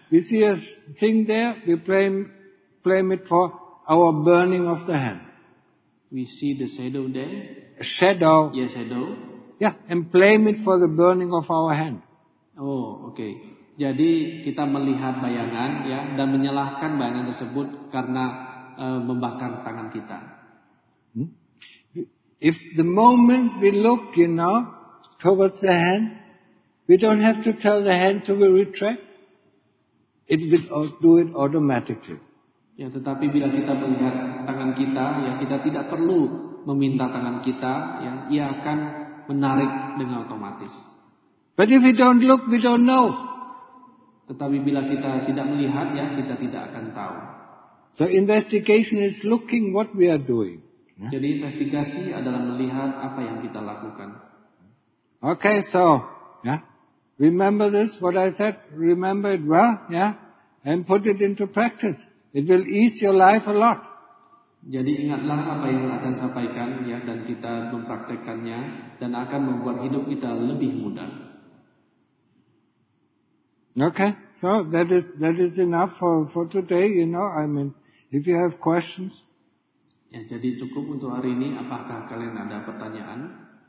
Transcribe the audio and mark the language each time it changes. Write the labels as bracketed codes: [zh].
[en] We see a thing there, we blame it for our burning of the hand. We see the shadow there. Shadow. Yes, yeah, shadow. Yeah, and blame it for the burning of our hand. Oh, okay. [id] Jadi kita melihat bayangan ya dan menyalahkan bayangan tersebut karena membakar tangan kita. [en] If the moment we look, you know, towards the hand, we don't have to tell the hand to retract. It will do it automatically. [id] Ya, tetapi bila kita melihat tangan kita, ya kita tidak perlu meminta tangan kita, ya ia akan menarik dengan otomatis. [en] But if we don't look, we don't know. [id] Tetapi bila kita tidak melihat, ya kita tidak akan tahu. [en] So investigation is looking what we are doing. [id] Jadi investigasi adalah melihat apa yang kita lakukan. [en] Okay, so, yeah, remember this what I said. Remember it well, yeah, and put it into practice. It will ease your life a lot. [id] Jadi ingatlah apa yang akan sampaikan, ya, dan kita mempraktekannya dan akan membuat hidup kita lebih mudah. [en] Okay, so that is enough for today, you know, I mean, if you have questions. [id] Ya, jadi cukup untuk hari ini. Apakah kalian ada pertanyaan?